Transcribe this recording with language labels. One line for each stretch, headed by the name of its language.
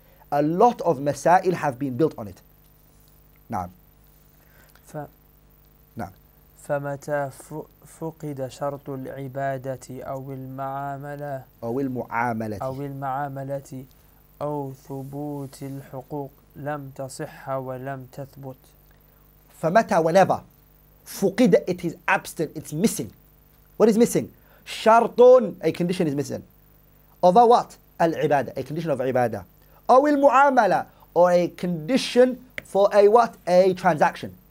English: A lot of مسائل have been built on it.
Arabic: نعم. فمتى فقد شرط العبادة أو المعاملة أو المعاملة أو ثبوت الحقوق لم تصح ولم تثبت.
English: فمتى whenever فقد, it is absent, it's missing. What is missing? شرطون, a condition is missing. Over what? العبادة, a condition of عبادة.
Arabic: أو المعاملة,
English: or a condition for a what? A transaction.